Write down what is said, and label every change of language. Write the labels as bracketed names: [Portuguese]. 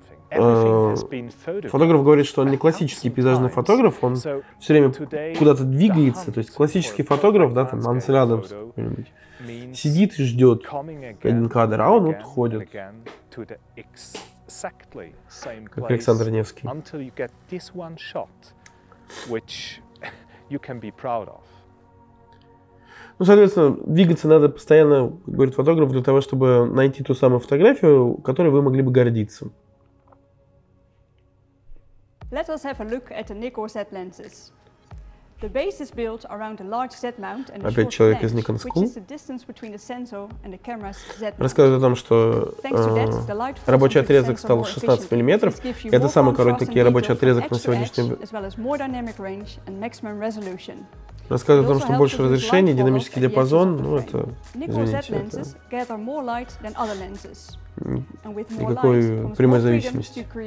[Russian] Фотограф говорит, что он не классический пейзажный фотограф, он все время куда-то двигается. То есть классический фотограф, да, там Ансель Адамс какой-нибудь, сидит и ждет один кадр, а он вот ходит. [English] Exactly same [Russian] как Александр Невский. [English] Until you get this one shot, which you can be proud of. [Russian] Ну, соответственно, двигаться надо постоянно, говорит фотограф, для того, чтобы найти ту самую фотографию, которой вы могли бы гордиться. [English] Let us have a look at the Nikkor Z lenses. The base is built around a large Z mount and a short lens, which is the distance between the sensor and the camera's Z mount. [Russian] Рассказывает о том, что рабочий отрезок стал 16 мм. Это самый короткий рабочий отрезок на сегодняшний день. Рассказывает о том, что больше разрешений, динамический диапазон, ну это, извините, это никакой прямой зависимости.